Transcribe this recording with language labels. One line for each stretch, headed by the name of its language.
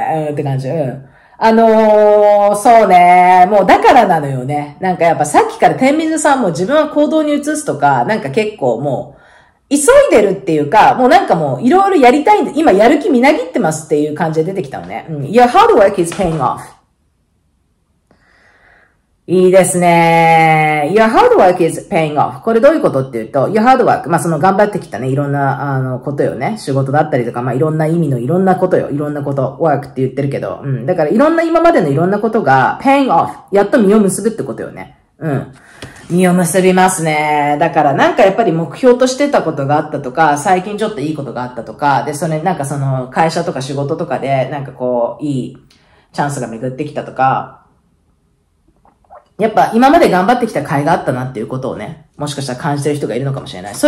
Japanese: うん、って感じ。うん。そうね。もう、だからなのよね。なんか、やっぱさっきから天秤座さんも自分は行動に移すとか、なんか結構もう、急いでるっていうか、もうなんかもう、いろいろやりたいんで、今やる気みなぎってますっていう感じで出てきたのね。うん。
English: Your hard work is paying off.
Japanese: いいですね。
English: Your hard work is paying off.
Japanese: これどういうことっていうと、
English: Your hard work、
Japanese: まあ、その頑張ってきたね、いろんな、ことよね。仕事だったりとか、まあ、いろんな意味のいろんなことよ。いろんなこと、work って言ってるけど、うん。だから、いろんな今までのいろんなことが、
English: paying off。
Japanese: やっと実を結ぶってことよね。うん。実を結びますね。だから、なんかやっぱり目標としてたことがあったとか、最近ちょっといいことがあったとか、で、それ、なんかその、会社とか仕事とかで、なんかこう、いいチャンスが巡ってきたとか、やっぱ今まで頑張ってきた甲斐があったなっていうことをね、もしかしたら感じてる人がいるのかもしれない。